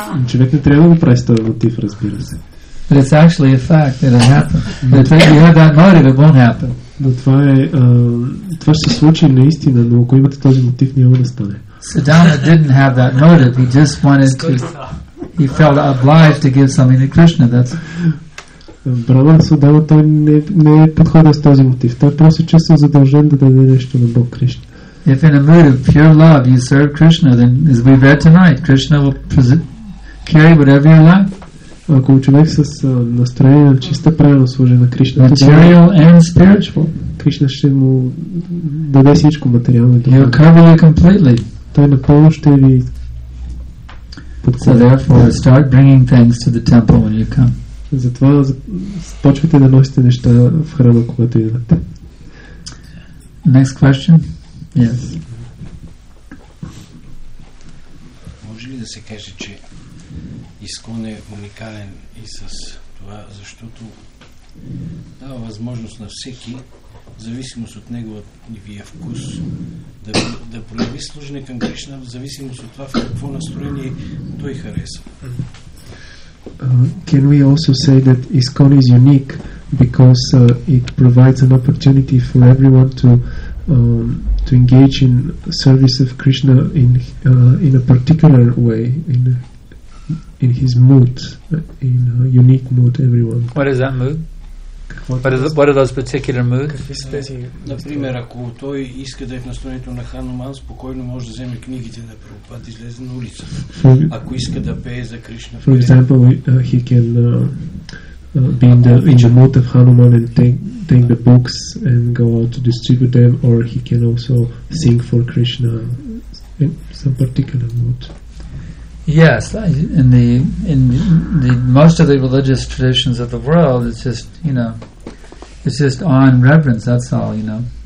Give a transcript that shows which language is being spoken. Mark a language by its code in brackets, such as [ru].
[bg] Човек не трябва да прави този мотив, разбира се. [en] But it's actually a fact that it happened. But if you have that motive, it won't happen. [bg] Но това е, това ще се случи наистина, но ако имате този мотив, няма да стане. [en] Sudama didn't have that motive. He just wanted to... He felt obliged to give something to Krishna. That's... [bg] Брама Судама, той не е подходил с този мотив. Той просто чувства задължен да даде нещо на Бог Кришна. [en] If in a mood of pure love you serve Krishna, then as we read tonight, Krishna will carry whatever you lack. [bg] Ако човек с настроение на чиста праведност служи на Кришна, [en] material and spiritual, [bg] Кришна ще му даде всичко материално. [en] He'll cover you completely. [bg] Той напълно ще ви подкрепи. [en] So therefore, start bringing things to the temple when you come. [bg] Затова почвайте да носите неща в храма, когато идвате. [en] Next question. Yes. [bg] Може ли да се каже, че Искон е уникален и с това, защото дава възможност на всеки, в зависимост от неговия вкус, да прояви служене към Кришна, в зависимост от това в какво настроение той харесва. [en] Can we also say that ISKCON is unique because it provides an opportunity for everyone to engage in service of Krishna in a particular way, in his mood, in a unique mood, everyone. What is that mood? What are those particular moods? [bg] Например, ако той иска да е в настроението на Хануман, спокойно може да вземе книгите на Прабхупад и излезе на улица. Ако иска да пее за Кришна. [en] For example, he can be in the mood of Hanuman and take the books and go out to distribute them, or he can also sing for Krishna in some particular mood. Yes, in the most of the religious traditions of the world, it's just, you know, it's just awe and reverence, that's all, you know.